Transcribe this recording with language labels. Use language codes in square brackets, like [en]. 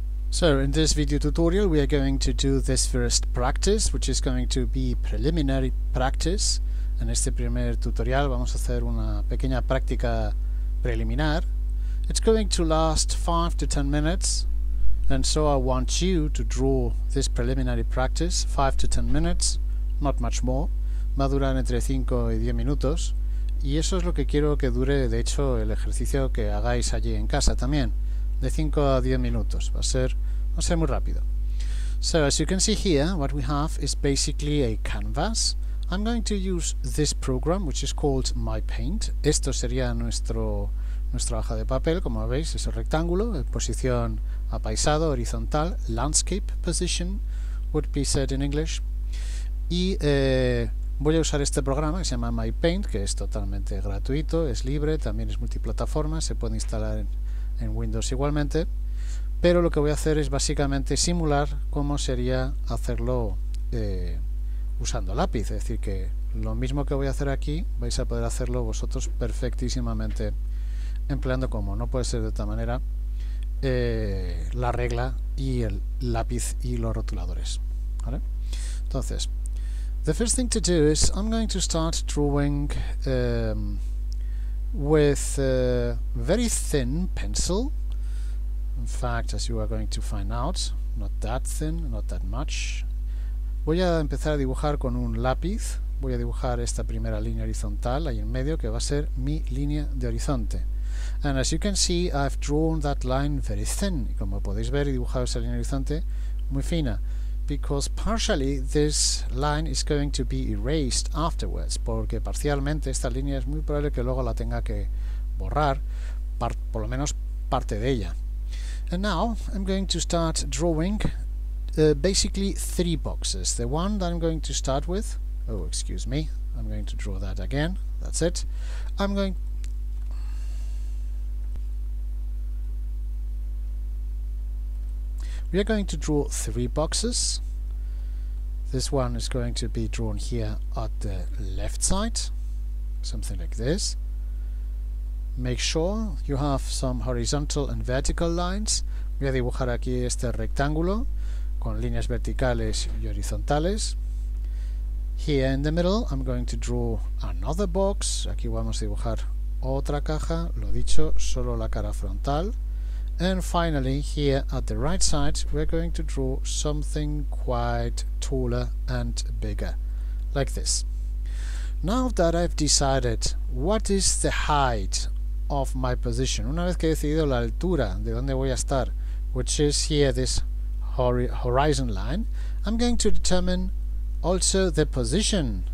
[en] So in this video tutorial we are going to do this first practice, which is going to be preliminary practice. [es] En este primer tutorial vamos a hacer una pequeña práctica preliminar. [en] It's going to last 5 to 10 minutes, and so I want you to draw this preliminary practice, 5 to 10 minutes, not much more. [es] Va a durar entre 5 y 10 minutos, y eso es lo que quiero que dure, de hecho, el ejercicio que hagáis allí en casa también. De 5 a 10 minutos, va a ser muy rápido. [en] So, as you can see here, what we have is basically a canvas. I'm going to use this program, which is called My Paint. [es] Esto sería nuestra hoja de papel, como veis, es el rectángulo, posición apaisado, horizontal, [en] landscape position, would be said in English. [es] Y voy a usar este programa que se llama My Paint, que es totalmente gratuito, es libre, también es multiplataforma, se puede instalar en Windows igualmente, pero lo que voy a hacer es básicamente simular cómo sería hacerlo usando lápiz, es decir, que lo mismo que voy a hacer aquí vais a poder hacerlo vosotros perfectísimamente empleando, como no puede ser de otra manera, la regla y el lápiz y los rotuladores, ¿vale? [en] Entonces, the first thing to do is I'm going to start drawing with a very thin pencil. In fact, as you are going to find out, not that thin, not that much. [es] Voy a empezar a dibujar con un lápiz. Voy a dibujar esta primera línea horizontal ahí en medio, que va a ser mi línea de horizonte. [en] And as you can see, I've drawn that line very thin. [es] Y como podéis ver, he dibujado esa línea horizonte muy fina. [en] Because partially this line is going to be erased afterwards, [es] porque parcialmente esta línea es muy probable que luego la tenga que borrar, por lo menos parte de ella. [en] And now I'm going to start drawing basically 3 boxes. The one that I'm going to start with, oh excuse me, I'm going to draw that again, that's it. We are going to draw 3 boxes. This one is going to be drawn here at the left side, something like this. Make sure you have some horizontal and vertical lines. [es] Voy a dibujar aquí este rectángulo con líneas verticales y horizontales. [en] Here in the middle I'm going to draw another box. [es] Aquí vamos a dibujar otra caja, lo dicho, solo la cara frontal. [en] And finally, here at the right side, we're going to draw something quite taller and bigger, like this. Now that I've decided what is the height of my position, [es] una vez que he decidido la altura de donde voy a estar, [en] which is here this horizon line, I'm going to determine also the position.